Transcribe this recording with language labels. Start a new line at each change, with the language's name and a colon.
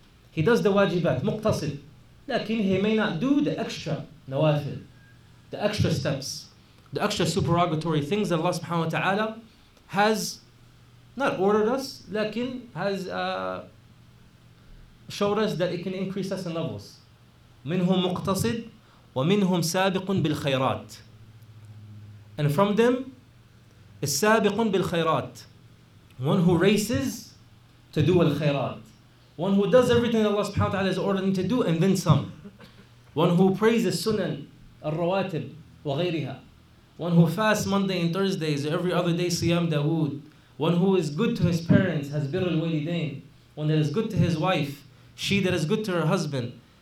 English: He does the wajibat, muqtasid. Lakin he may not do the extra nawafil, the extra steps, the extra supererogatory things that Allah subhanahu wa ta'ala has not ordered us, lakin has showed us that it can increase us in levels.
Arabic: Minhum muqtasid, wa minhum sabiqun bil khayrat.
English: And from them,
Arabic: السابقون بالخيرات.
English: One who races to do al-khayrat. One who does everything that Allah subhanahu wa ta'ala has ordered him to do and then some. One who prays the sunan, al-rawatib, wa ghayriha. One who fasts Monday and Thursdays, every other day, siyam Dawood. One who is good to his parents, has birr al-walidain. One that is good to his wife, she that is good to her husband.